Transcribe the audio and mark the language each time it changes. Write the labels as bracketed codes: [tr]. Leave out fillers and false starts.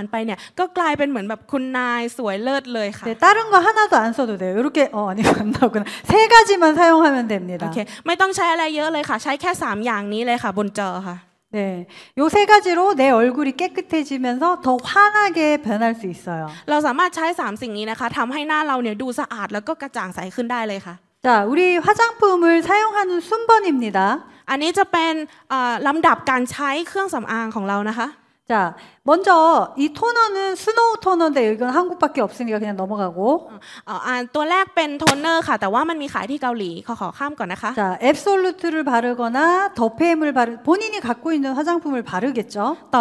[th] แล้วก็มีที่เมื่อก่อนเนี่ยอาจจะแบบว่ามาเป็นเหมือนคุณป้าอยู่ที่บ้านแต่ว่าพอผ่านไปเนี่ยก็กลายเป็นเหมือนแบบคุณนายสวยเลิศเลยค่ะ [ko] 네, 다른 거 하나도 안 써도 돼요. 이렇게 아니 만나거나 세 가지만 사용하면 됩니다. [th] โอเคไม่ต้องใช้อะไรเยอะเลยค่ะใช้แค่3อย่างนี้เลยค่ะบนจอค่ะ [ko] 네, 요 세 가지로 내 얼굴이 깨끗해지면서 더 환하게 변할 수 있어요. [th] เราสามารถใช้สามสิ่งนี้นะคะทำให้หน้าเราเนี่ยดูสะอาดแล้วก็กระจ่างใสขึ้นได้เลยค่ะ [ko] 자, 우리 화장품을 사용하는 순번입니다. [th] อันนี้จะเป็นลำดับการใช้เครื่องสำอางของเรานะคะ [ko] 자, 먼저 이 토너는 스노우 토너인데 이건 한국밖에 없으니까 그냥 넘어가고. [th] ตัวแรกเป็นโทนเนอร์ค่ะแต่ว่ามันมีขายที่เกาหลีขอข้ามก่อนนะคะ [ko] 자, 앱솔루트를 바르거나 더페임을 바르 본인이 갖고 있는 화장품을 바르겠죠.